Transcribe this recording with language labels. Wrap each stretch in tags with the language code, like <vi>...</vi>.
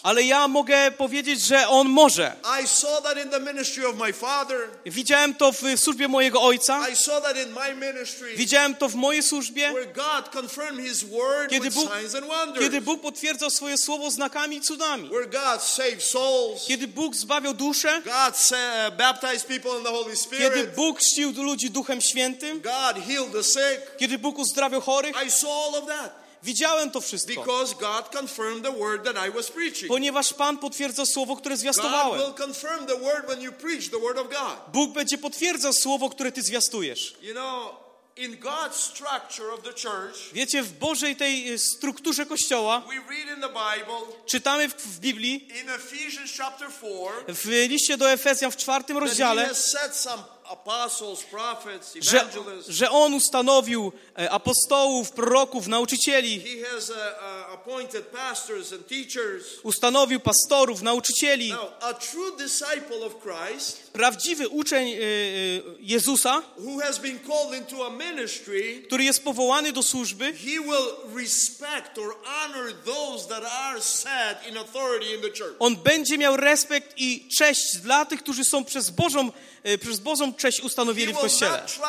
<pl>Ale ja mogę powiedzieć, że On może.</pl> <en>I saw that in the ministry of my father.</en> <pl>Widziałem to w służbie mojego ojca.</pl> <en>I saw that in my ministry.</en> <pl>Widziałem to w mojej służbie.</pl> <en>Where God confirmed his word with signs and wonders.</en> <pl>Kiedy Bóg potwierdzał swoje słowo znakami i cudami.</pl> <en>Where God saved souls.</en> <pl>Kiedy Bóg zbawiał dusze.</pl> <en>God baptized people in the Holy Spirit.</en> <pl>Kiedy Bóg chrzcił ludzi Duchem Świętym.</pl> <en>God healed the sick.</en> <pl>Kiedy Bóg uzdrawiał chorych.</pl> <en>I saw all of that.</en> <pl>Widziałem to wszystko.</pl> <en>Because God confirmed the word that I was preaching.</en> <pl>Ponieważ Pan potwierdza słowo, które zwiastowałem.</pl> <en>God will confirm the word when you preach the word of God.</en> <pl>Bóg będzie potwierdzał słowo, które ty zwiastujesz.</pl> <en>You know, in God's structure of the church.</en> <pl>Wiecie, w Bożej tej strukturze kościoła.</pl> <en>We read in the Bible.</en> <pl>Czytamy w Biblii.</pl> <en>In Ephesians chapter 4.</en> <pl>W liście do Efezjan w czwartym rozdziale.</pl> <en>Apostles, prophets, evangelists.</en> <pl>Że On ustanowił apostołów, proroków, nauczycieli.</pl> <en>He has appointed pastors and teachers.</en> <pl>Ustanowił pastorów, nauczycieli.</pl> <en>Now, a true disciple of Christ,</en> <pl>prawdziwy uczeń Jezusa,</pl> <en>who has been called into a ministry,</en> <pl>który jest powołany do służby,</pl> <en>he will respect or honor those that are set in authority in the church.</en> <pl>On będzie miał respekt i cześć dla tych, którzy są przez Bożą cześć ustanowili w Kościele.</pl>